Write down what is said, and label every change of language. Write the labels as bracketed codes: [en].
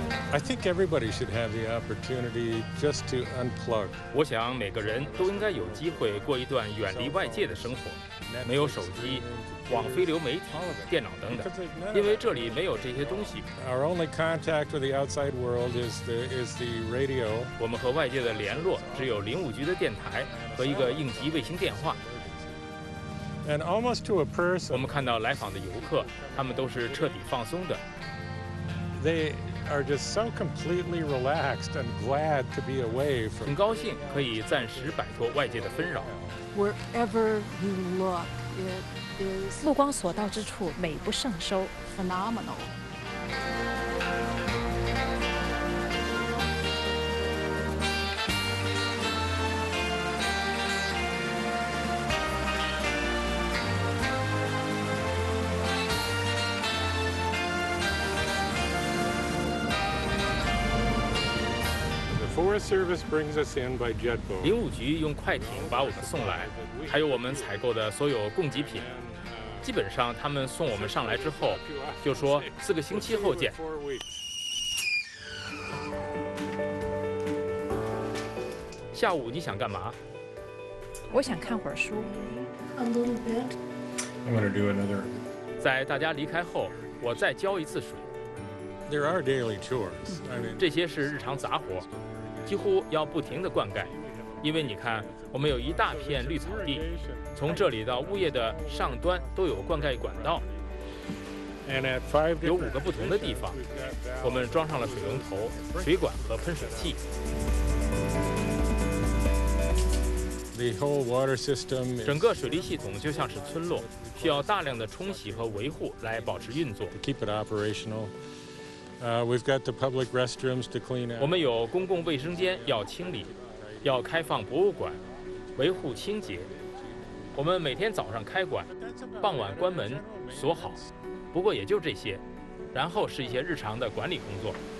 [en] I think everybody should have the opportunity just to unplug. [zh] 我想每个人都应该有机会过一段远离外界的生活，没有手机、网、非流媒体、电脑等等，因为这里没有这些东西。 [en] Our only contact with the outside world is the radio. [zh] 我们和外界的联络只有零五局的电台和一个应急卫星电话。 [en] And almost to a person, [zh] 我们看到来访的游客，他们都是彻底放松的。 [en] They are just so completely relaxed and glad to be away from. [zh] 很高兴可以暂时摆脱外界的纷扰。 [en] Wherever you look, it is. [zh] 目光所到之处，美不胜收。 [en] Phenomenal. Forest Service brings us in by jet boat. [zh] 林务局用快艇把我们送来，还有我们采购的所有供给品。基本上他们送我们上来之后，就说四个星期后见。下午你想干嘛？我想看会儿书。 [en] A little bit. I'm gonna do another. [zh] 在大家离开后，我再教一次书。 [en] There are daily chores. [zh] 这些是日常杂活。几乎要不停地灌溉，因为你看，我们有一大片绿草地，从这里到物业的上端都有灌溉管道，有五个不同的地方，我们装上了水龙头、水管和喷水器。整个水利系统就像是村落，需要大量的冲洗和维护来保持运作。 [en] We've got the public restrooms to clean out. [zh] 我们有公共卫生间要清理，要开放博物馆，维护清洁。我们每天早上开馆，傍晚关门锁好。不过也就这些，然后是一些日常的管理工作。